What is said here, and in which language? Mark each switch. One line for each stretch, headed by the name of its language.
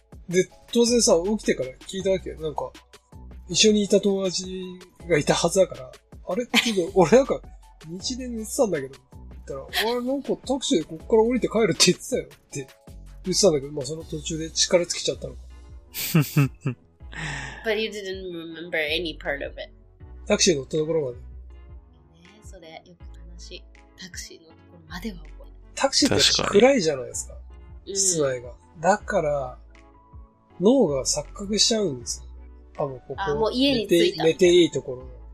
Japanese: で、当然さ、起きてから聞いたわけ。なんか、一緒にいた友達がいたはずだから。あれちょっと、俺なんか、道で寝てたんだけど、言ったら、俺なんかタクシーでこっから降りて帰るって言ってたよって言ってたんだけど、まあその途中で力尽きちゃったのか。
English: But you didn't remember any part of it.
Japanese: タクシー乗ったところまで。ねえ、それ、よく話。タクシーのところまでは覚えて。タクシーって暗いじゃないですか。室内が。だから、脳が錯覚しちゃうんですよ。あ、もうここ。あ、もう家に着いた。寝ていいところ。